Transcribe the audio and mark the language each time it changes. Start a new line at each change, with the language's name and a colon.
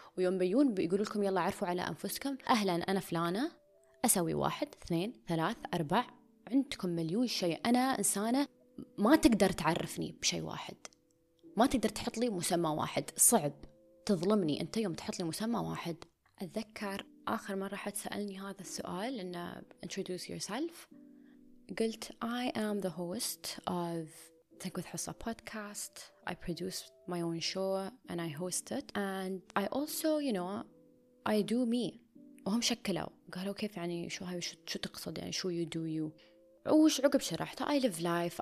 Arabic: ويوم بيون بيقولوا لكم يلا عرفوا على أنفسكم، أهلا أنا فلانة أسوي 1-2-3-4، عندكم مليون شيء. أنا إنسانة ما تقدر تعرفني بشيء واحد، ما تقدر تحط لي مسمى واحد، صعب تظلمني أنت يوم تحط لي مسمى واحد. أتذكر آخر مرة حد سألني هذا السؤال إنه
English: introduce yourself،
Arabic: قلت
English: I am the host of Think With Hussa podcast. I produce my own show and I host it. And I also, you know, I do me.
Arabic: وهم شكلوا قالوا كيف يعني شو هاي شو تقصد يعني شو
English: you do you.
Arabic: وش عقب شرحت
English: I live life.